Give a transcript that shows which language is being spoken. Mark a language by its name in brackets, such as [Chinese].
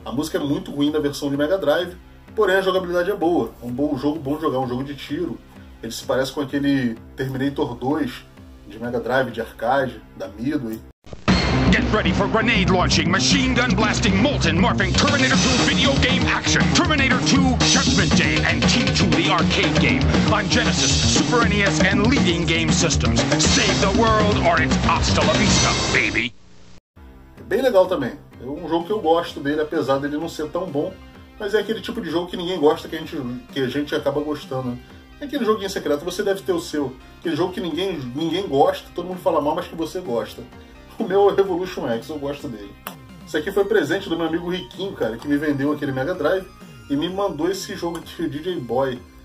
[Portuguese] Que é muito ruim da versão de Mega Drive, porém a jogabilidade é boa. É um bom jogo, bom jogar, um jogo de tiro. Ele se parece com aquele Terminator 2 de Mega Drive, de arcade, da Midway. [English] Get ready for grenade launching, machine gun blasting, molten morphing, Terminator 2 video game action, Terminator 2 Judgment Day, and T2 the arcade game, on Genesis, Super NES, and leading game systems. Save the world or it's hasta la vista, baby. [Portuguese] Bem legal também. É um jogo que eu gosto dele, apesar dele não ser tão bom. Mas é aquele tipo de jogo que ninguém gosta, que a gente acaba gostando, né? É aquele joguinho secreto, você deve ter o seu. Aquele jogo que ninguém gosta, todo mundo fala mal, mas que você gosta. O meu é o Revolution X, eu gosto dele. Esse aqui foi presente do meu amigo Riquinho, cara, que me vendeu aquele Mega Drive e me mandou esse jogo de DJ Boy.